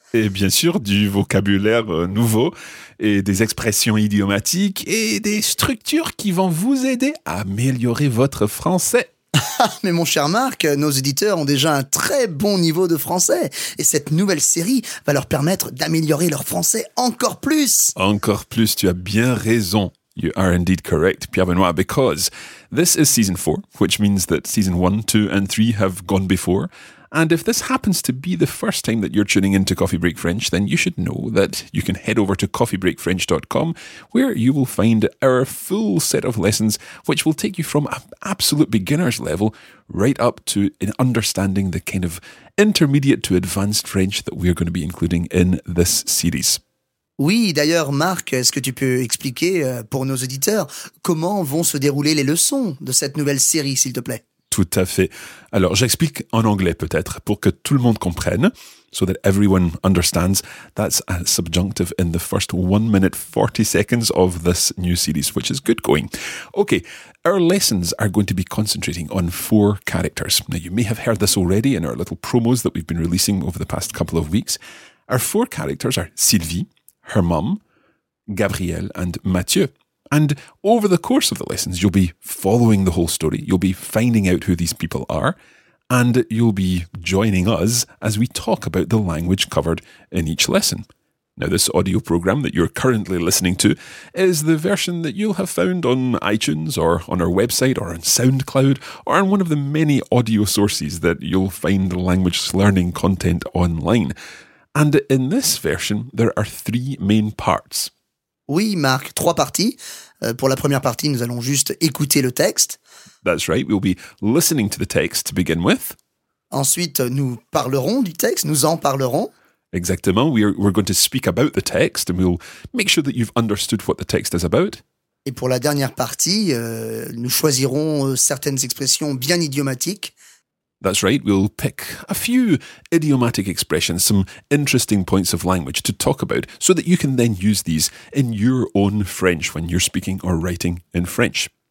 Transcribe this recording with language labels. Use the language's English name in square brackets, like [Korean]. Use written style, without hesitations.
[French] Et bien sûr, du vocabulaire nouveau et des expressions idiomatiques et des structures qui vont vous aider à améliorer votre français. Mais mon cher Marc, nos auditeurs ont déjà un très bon niveau de français et cette nouvelle série va leur permettre d'améliorer leur français encore plus. Encore plus, tu as bien raison. [English] You are indeed correct, Pierre-Benoît, because this is season 4, which means that season 1, 2 and 3 have gone before. And if this happens to be the first time that you're tuning into Coffee Break French, then you should know that you can head over to coffeebreakfrench.com, where you will find our full set of lessons, which will take you from an absolute beginner's level right up to an understanding the kind of intermediate to advanced French that we're going to be including in this series. [French] Oui, d'ailleurs, Marc, est-ce que tu peux expliquer pour nos auditeurs comment vont se dérouler les leçons de cette nouvelle série, s'il te plaît? Tout à fait. Alors, j'explique en anglais peut-être pour que tout le monde comprenne. [English] So that everyone understands, that's a subjunctive in the first 1 minute 40 seconds of this new series, which is good going. Okay, our lessons are going to be concentrating on 4 characters. Now, you may have heard this already in our little promos that we've been releasing over the past couple of weeks. Our 4 characters are Sylvie, her mum, Gabriel, and Mathieu. And over the course of the lessons, you'll be following the whole story. You'll be finding out who these people are, and you'll be joining us as we talk about the language covered in each lesson. Now, this audio program that you're currently listening to is the version that you'll have found on iTunes or on our website or on SoundCloud or on one of the many audio sources that you'll find language learning content online. And in this version, there are 3 main parts. [French] Oui, Marc, 3 parties. Pour la première partie, nous allons juste écouter le texte. [English] That's right, we'll be listening to the text to begin with. [French] Ensuite, nous parlerons du texte, nous en parlerons. [English] Exactement, we're going to speak about the text and we'll make sure that you've understood what the text is about. [French] Et pour la dernière partie, nous choisirons certaines expressions bien idiomatiques. [English] That's right, we'll pick a few idiomatic expressions, some interesting points of language to talk about, so that you can then use these in your own French when you're speaking or writing in French.